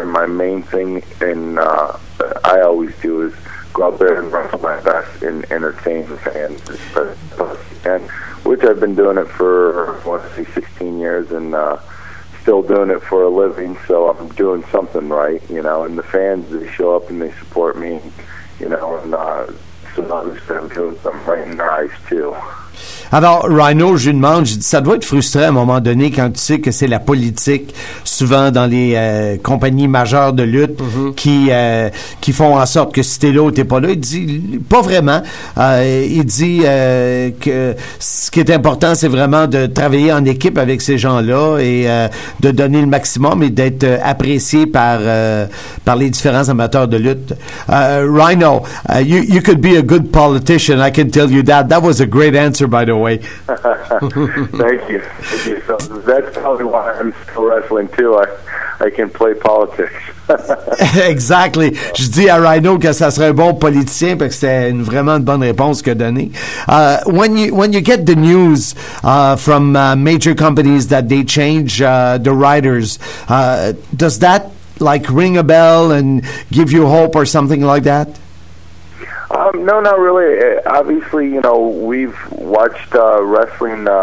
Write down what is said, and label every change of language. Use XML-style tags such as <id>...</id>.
<en>And my main thing and I always do is go out there and wrestle my best and entertain the fans as best as I can, which I've been doing it for, I want to say, 16 years and still doing it for a living. So I'm doing something right, you know. And the fans, they show up and they support me, you know. And so obviously I'm doing something right in their eyes, too.</en> <fr>Alors, Rhino, je lui demande, ça doit être frustrant à un moment donné quand tu sais que c'est la politique, souvent dans les compagnies majeures de lutte, mm-hmm. qui font en sorte que si t'es là ou t'es pas là. Il dit, pas vraiment. Il dit que ce qui est important, c'est vraiment de travailler en équipe avec ces gens-là et de donner le maximum et d'être apprécié par les différents amateurs de lutte.</fr> <en>Rhino, you could be a good politician, I can tell you that. That was a great answer, by the way. Thank you. So that's probably why I'm still wrestling, too. I can play politics. Exactly.</en> <fr>Je dis à Rhino que ça serait un bon politicien parce que c'est une vraiment une bonne réponse que donner.</fr> <en>When you get the news from major companies that they change the writers, does that like ring a bell and give you hope or something like that? No, not really. Obviously, you know, we've watched wrestling.</en>